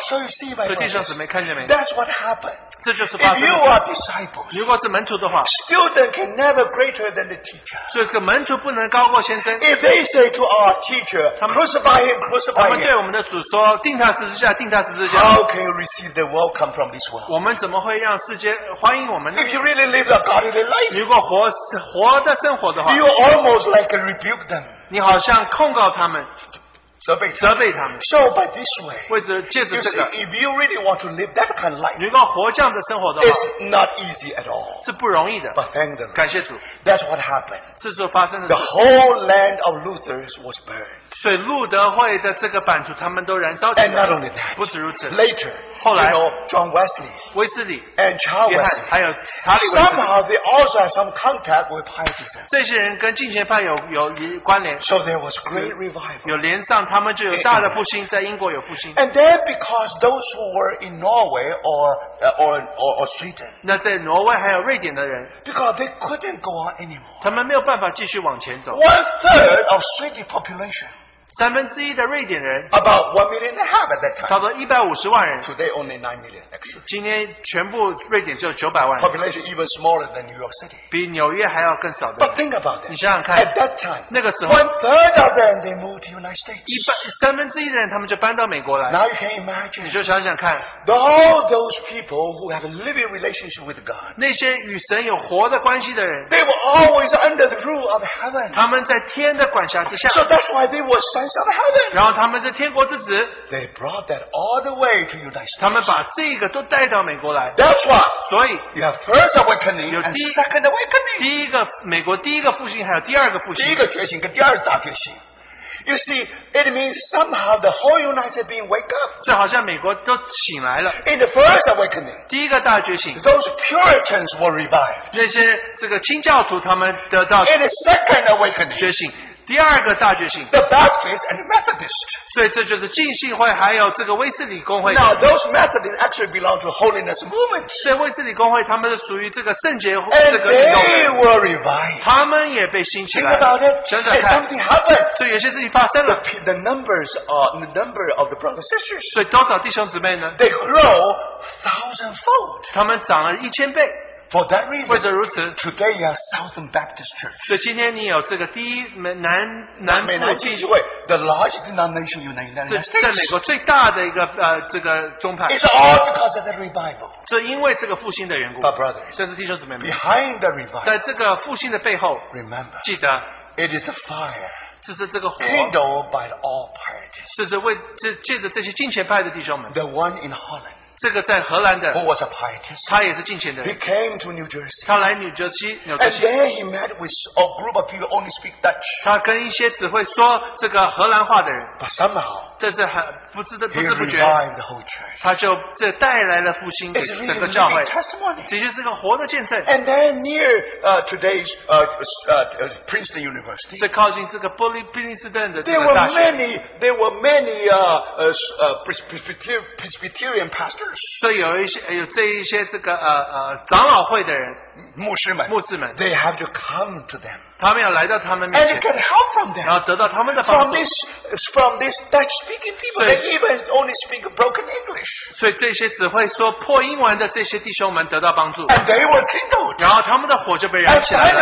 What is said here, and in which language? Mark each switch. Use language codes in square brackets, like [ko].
[en] So you see, my brother, [zh] 所以弟兄姊妹, 看见没? [en] That's what happened. [zh] 这就是发生的事. [en] If you are disciples, [zh] 如果是门徒的话, [en] student can never greater than the teacher. [zh] 所以这个门徒不能高过先生. [en] If they say to our teacher, [zh] 他们, [en] crucify him, crucify him. [zh] 他们对我们的主说, 定他十字架, 定他十字架. [en] How can you receive the welcome from this world? [zh] 我们怎么会让世界欢迎我们呢? [en] If you really live a godly life, [zh] 如果活的生活的话, [en] you almost like rebuke them. [zh] 你好像控告他们, 责备他们. [en] So by this way, [zh] 或者借着这个, [en] you see, if you really want to live that kind of life, [zh] 如果活这样的生活的话, [en] it's not easy at all. [zh] 是不容易的. [en] But thank the Lord. [zh] 感谢主. [en] That's what happened. [zh] 这是发生的事. [en] The whole land of Luther was burned. [zh] 所以路德会的这个版图, 他们都燃烧起来. [en] And not only that, [zh] 不止如此. [en] Later, [zh] 后来, [en] you know, John Wesley, [zh] 威斯里, [en] and Charles Wesley, [zh] 还有查理 [en] Wesley, somehow they also had some contact with pietism. [zh] 这些人跟敬虔派有关联. [en] So there was great revival. [zh] 有连上, 他们就有大的复兴, 在英国有复兴. [en] And then because those who were in Norway or Sweden, [zh] 那在挪威还有瑞典的人, [en] because they couldn't go on anymore, [zh] 他们没有办法继续往前走. [en] One third of Swedish population, [zh] 三分之一的瑞典人, [en] about 1.5 million at that time, [zh] 差不多150万人. [en] Today only 9 million, actually. [zh] 今天全部瑞典就900万人. [en] Population even smaller than New York City. [zh] 比纽约还要更少的人. [en] But think about that. [zh] 你想想看, [en] at that time, [zh] 那个时候, [en] one third of them, they moved to the United States. [zh] 三分之一的人, 他们就搬到美国来. [en] Now you can imagine. [zh] 你就想想看, [en] all those people who have a living relationship with God, [zh] 那些与神有活的关系的人, [en] they were always under the rule of heaven. [zh] 他们在天的管辖之下. [en] So that's why they were sons of heaven. They brought that all the way to the United States. That's why, [zh] 所以, [en] you have first awakening, [zh] 有第, [en] and second awakening. [zh] 第一个, 美国第一个复兴, 还有第二个复兴, 第一个觉醒跟第二大觉醒. [en] You see, it means somehow the whole United being wake up. [zh] 所以好像美国都醒来了. [en] In the first awakening, [zh] 第一个大觉醒, [en] those Puritans were revived. [zh] 那些这个清教徒, 他们得到, [en] in the second awakening, [zh] 觉醒, 第二个大觉醒, [en] the Baptist and Methodist. [zh] 所以这就是浸信会还有这个威斯理公会. [en] Now those Methodists actually belong to holiness movement. [zh] 所以威斯理公会他们是属于这个圣洁这个运动. [en] And they were revived. [zh] 他们也被兴起来了. [en] Think about it. [zh] 想想看, [en] and something happened. [zh] 所以有些事情发生了. [en] The numbers are the number of the brothers and sisters. [zh] 所以多少弟兄姊妹呢? [en] They grow thousandfold. [zh] 他们长了1000倍. [en] For that reason, [zh] 或者如此, [en] today you are Southern Baptist Church. [zh] 所以今天你有这个第一南部浸信会, [en] the largest denomination in the United States. [zh] 在美国最大的一个宗派. [en] It's all because of the revival. [zh] 这因为这个复兴的缘故. [en] But brothers, [zh] 这是弟兄姊妹们, [en] behind the revival, [zh] 在这个复兴的背后, [en] remember, [zh] 记得, [en] it is a fire. [zh] 这是这个火, [en] kindled by all pietists. [zh] 这是为借着这些敬虔派的弟兄们. [en] The one in Holland, [zh] 这个在荷兰的, [en] who was a pietist, [zh] 他也是敬虔的人, [en] he came to New Jersey, [zh] 他来纽泽西, 纽泽西, [en] and there he met with a group of people who only speak Dutch. [zh] 他跟一些只会说这个荷兰话的人, [en] but somehow, revived the whole church. [zh] 他就带来了复兴整个教会。 [en] It's really living testimony. And then near today's Princeton University. [zh] 这靠近这个布林斯顿的 [en] There were many Presbyterian pastors. [zh] 所以有一些长老会的人。牧师们, [en] they have to come to them. [zh] 他们要来到他们面前, [en] and get help from them. [zh] 然后得到他们的帮助, [en] from this Dutch speaking people, they even only speak broken English. [zh] 所以这些只会说破英文的这些弟兄们得到帮助, [en] and they were kindled. [zh] 然后他们的火就被燃起来了。